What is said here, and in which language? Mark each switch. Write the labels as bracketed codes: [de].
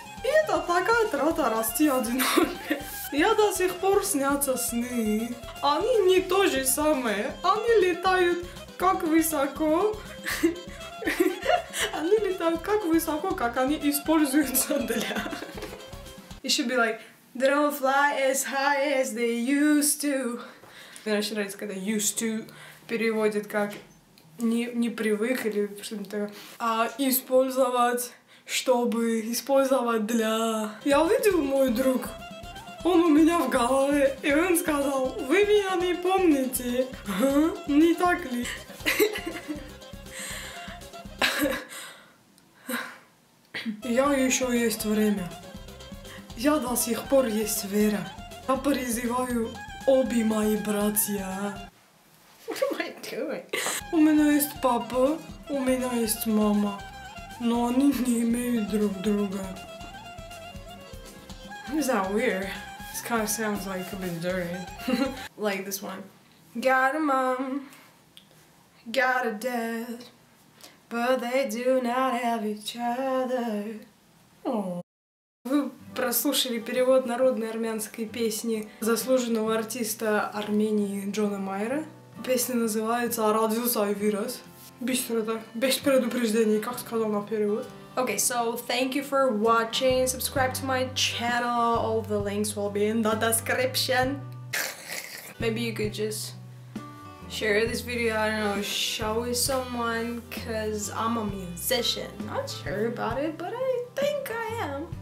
[ru] И это такая трата расти одиноко. Я до сих пор снятся сны. Они не то же самое. Они летают как высоко. Они летают как высоко, как они используются для. [en] It should be like, they don't fly as high as they used to. [ru] Мне очень нравится, когда [en] used to [ru] переводят как не привык или что-то такое. А использовать, чтобы использовать для. Я увидел мой друг. Он у меня в голове, и он сказал, вы меня не помните, а? Не так ли? Я еще есть время. Я до сих пор есть вера. Я призываю обе мои братья. [en] What am I doing? [ru] У меня есть папа, у меня есть мама, но они не имеют друг друга. [en] Is that weird? This kind of sounds like a bit dirty. Like this one. Got a mom, got a dad, but they do not have each other. Oh. [ru] Вы прослушали перевод народной армянской песни заслуженного артиста Армении Джона Майера. Песня называется «Родился и вырос». Быстро так, без предупреждений, как сказал на перевод. [en] Okay, so thank you for watching. Subscribe to my channel. All the links will be in the description. Maybe you could just share this video, I don't know, show it someone, because I'm a musician. Not sure about it, but I think I am.